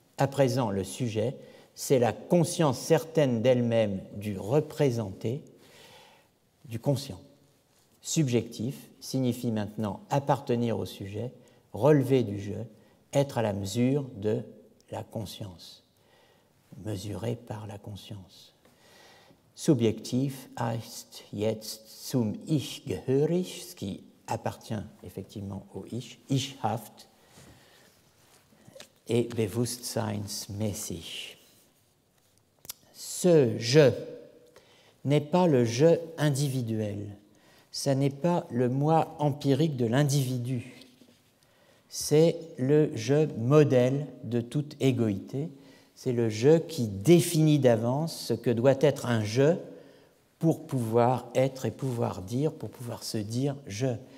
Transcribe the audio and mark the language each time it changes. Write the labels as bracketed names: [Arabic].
[French] À présent, le sujet, c'est la conscience certaine d'elle-même du représenté, du conscient. Subjectif signifie maintenant appartenir au sujet, relever du je, être à la mesure de la conscience, mesuré par la conscience. Subjectif [German] heißt jetzt zum Ich gehörig, [French] ce qui appartient effectivement au Ich, ichhaft, et bewusstseinsmäßig. Ce je n'est pas le je individuel, ça n'est pas le moi empirique de l'individu, c'est le je modèle de toute égoïté. C'est le je qui définit d'avance ce que doit être un je pour pouvoir être et pouvoir dire, pour pouvoir se dire je.